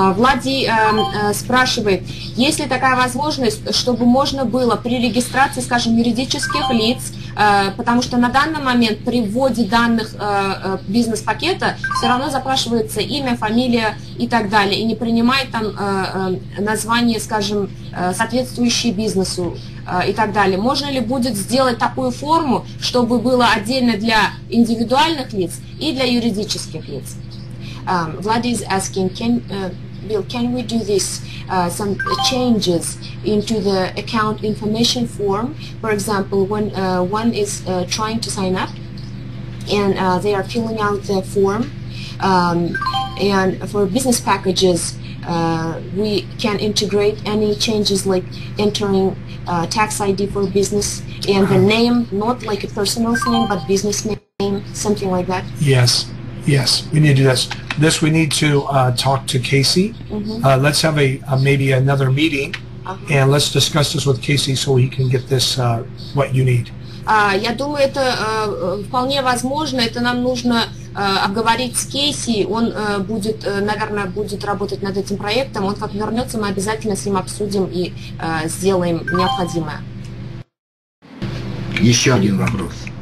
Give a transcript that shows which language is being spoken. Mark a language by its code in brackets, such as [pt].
[ru] Влади спрашивает, есть ли такая возможность, чтобы можно было при регистрации, скажем, юридических лиц, потому что на данный момент при вводе данных бизнес-пакета все равно запрашивается имя, фамилия и так далее, и не принимает там название, скажем, соответствующее бизнесу и так далее. Можно ли будет сделать такую форму, чтобы было отдельно для индивидуальных лиц и для юридических лиц? [en] Vlad is asking, can we do this, some changes into the account information form, for example, when one is trying to sign up and they are filling out the form, and for business packages, we can integrate any changes like entering tax ID for business and the name, not like a personal name, but business name, something like that? Yes. Yes, we need to do this. This we need to talk to Casey. Mm-hmm. Let's have a maybe another meeting, and let's discuss this with Casey so he can get this what you need. [ru] Я думаю, это вполне возможно. Это нам нужно обговорить с Кейси. Он будет, наверное, будет работать над этим проектом. Он как вернется, мы обязательно с ним обсудим и сделаем необходимое. Еще один вопрос.